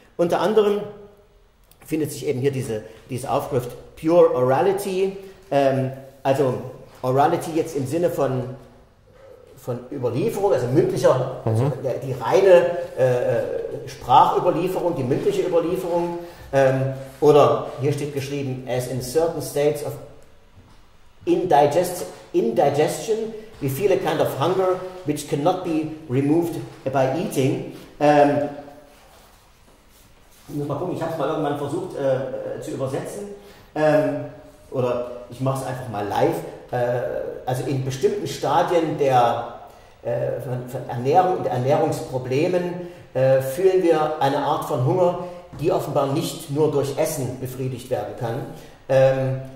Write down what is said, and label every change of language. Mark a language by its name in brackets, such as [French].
[German] Unter anderem findet sich eben hier diese Aufschrift Pure Orality, also Orality jetzt im Sinne von Überlieferung, also mündlicher, also die reine Sprachüberlieferung, die mündliche Überlieferung. Oder hier steht geschrieben, [English] as in certain states of indigestion, we feel a kind of hunger which cannot be removed by eating. [German] Ich muss mal gucken, ich habe es mal irgendwann versucht zu übersetzen. Oder ich mache es einfach mal live. Also in bestimmten Stadien der von Ernährung und Ernährungsproblemen fühlen wir eine Art von Hunger, die offenbar nicht nur durch Essen befriedigt werden kann.